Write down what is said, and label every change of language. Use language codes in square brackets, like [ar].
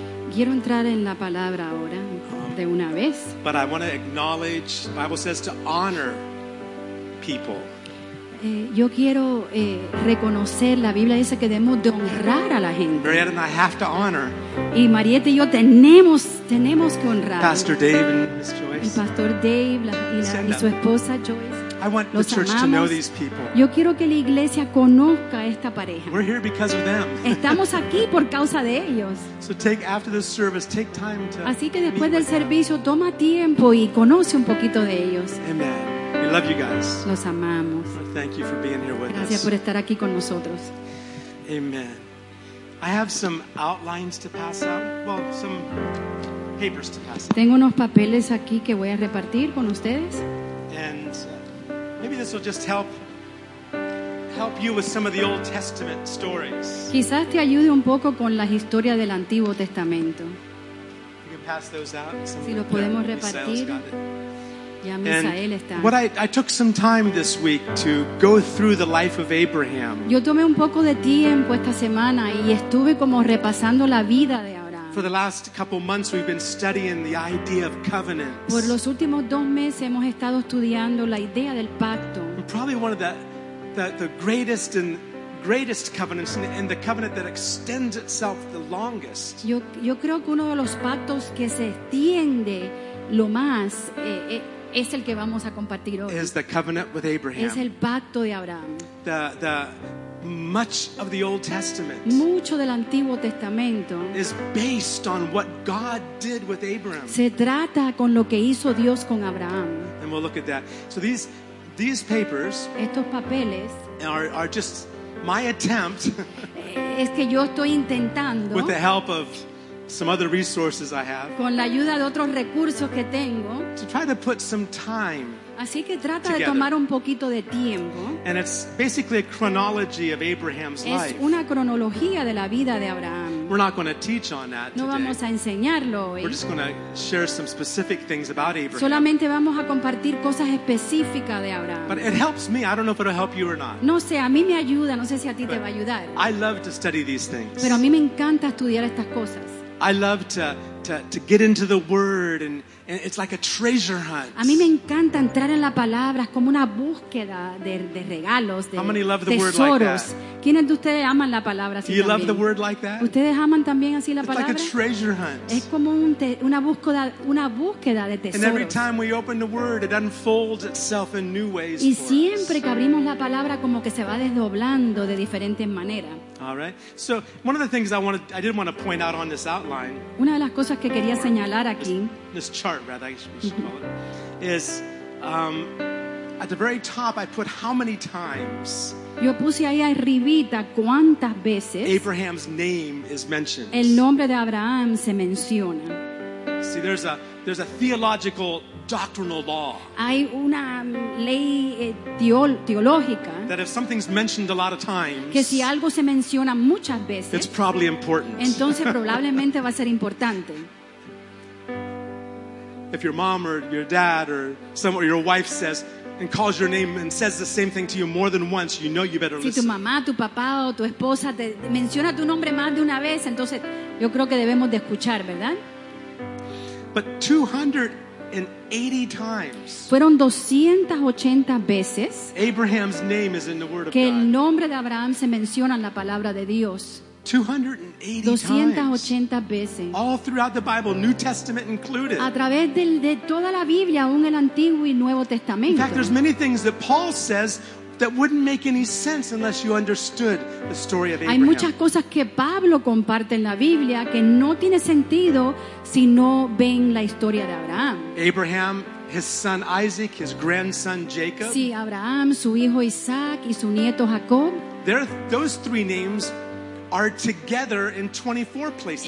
[es] Quiero entrar en la palabra ahora, de una vez. [en] But I want to acknowledge, the Bible says to honor people. [es] Yo quiero reconocer, la Biblia dice que debemos de honrar a la gente. [en] Marietta and I have to honor. [es] Y Marietta y yo tenemos que honrar. [en] Pastor Dave and Miss Joyce. [es] El Pastor Dave y su esposa Joyce. [en] I want [es] Los [en] the church [es] amamos. [en] To know these people. [es] Yo quiero que la iglesia conozca esta pareja. [en] We're here because of them. [es] Estamos aquí por causa de ellos. [en] So take after the service, take time to. [es] Así que después del servicio, toma tiempo y conoce un poquito de ellos. [en] Amen. We love you guys. [es] Los amamos. [en] Thank you for being here with [es] Gracias [en] us. [es] Gracias por estar aquí con nosotros. [en] Amen. I have some outlines to pass out. Well, some papers to pass out. [es] Tengo unos papeles aquí que voy a repartir con ustedes. [en] And maybe this will just help you with some of the Old Testament stories. [es] Quizás te ayude un poco con las historias del Antiguo Testamento. [en] You can pass those out. [es] Si lo podemos repartir. Ya Misael está. [en] And what I took some time this week to go through the life of Abraham. [es] Yo tomé un poco de tiempo esta semana y estuve como repasando la vida de Abraham. [en] For the last couple months we've been studying the idea of covenants. [es] Por los últimos dos meses hemos estado estudiando la idea del pacto. [en] Probably one of the greatest covenants and the covenant that extends itself the longest. [es] Yo creo que uno de los pactos que se extiende lo más es el que vamos a compartir hoy. [en] Is the covenant with Abraham. [es] Es el pacto de Abraham. [en] The much of the Old Testament. [es] Mucho del Antiguo Testamento. [en] Is based on what God did with Abraham. [es] Se trata con lo que hizo Dios con Abraham. [en] And we'll look at that. So these papers. [es] Estos papeles. [en] Are just my attempt. [es] Es que yo estoy intentando. [en] With the help of some other resources I have, [es] con la ayuda de otros recursos que tengo, [en] to try to put some time [es] así que trata [en] together. [es] De tomar un poquito de tiempo. [en] And it's basically a chronology of Abraham's [es] es [en] life. [es] Una cronología de la vida de Abraham. [en] We're not going to teach on that [es] no [en] today. [es] Vamos a enseñarlo hoy. [en] We're just going to share some specific things about Abraham. [es] Solamente vamos a compartir cosas específicas de Abraham. [en] But it helps me. I don't know if it'll help you or not. [es] No sé, a mí me ayuda. No sé si a ti te va a ayudar. [en] I love to study these things. [es] Pero a mí me encanta estudiar estas cosas. [en] I love to get into the Word, and it's like a treasure hunt. [es] A mí me encanta entrar en la palabra, es como una búsqueda de regalos, de tesoros. [en] Like [es] ¿quiénes de ustedes aman la palabra así [en] Do you [es] también? [en] Love the word like that? [es] ¿Ustedes aman también así la [en] it's [es] palabra? [en] Like a treasure hunt. [es] Es como una búsqueda de tesoros. [en] And every time we open the Word, it unfolds itself in new ways. [es] Y siempre que abrimos la palabra, como que se va desdoblando de diferentes maneras. [en] All right. So one of the things I did want to point out on this outline. [es] Una de las cosas que quería señalar aquí. [en] This chart, rather, I should call it, is at the very top. I put how many times. [es] Yo puse ahí arribita cuántas veces. [en] Abraham's name is mentioned. [es] El nombre de Abraham se menciona. [en] See, there's a theological. Doctrinal law. [es] Hay una ley teológica. [en] That if something's mentioned a lot of times, [es] que si algo se menciona muchas veces, [en] it's probably important. [es] Entonces probablemente va a ser importante. [en] If your mom or your dad or someone or your wife says and calls your name and says the same thing to you more than once, you know you better listen. [es] Si tu mamá, tu papá o tu esposa te menciona tu nombre más de una vez, entonces yo creo que debemos de escuchar, ¿verdad? [en] But 200 And 80 times. [es] Fueron 280 veces. [en] Abraham's name is in the word of God. [es] Que el nombre de Abraham se menciona en la palabra de Dios. 280 veces. [en] All throughout the Bible, New Testament included. [es] A través de toda la Biblia, aún el Antiguo y Nuevo Testamento. [en] In fact, there's many things that Paul says that wouldn't make any sense unless you understood the story of Abraham. [es] Hay muchas cosas que Pablo comparte en la Biblia que no tiene sentido si no ven la historia de Abraham. [en] Abraham, his son Isaac, his grandson Jacob. [es] Sí, Abraham, su hijo Isaac y su nieto Jacob. [en] Those three names are together in 24 places.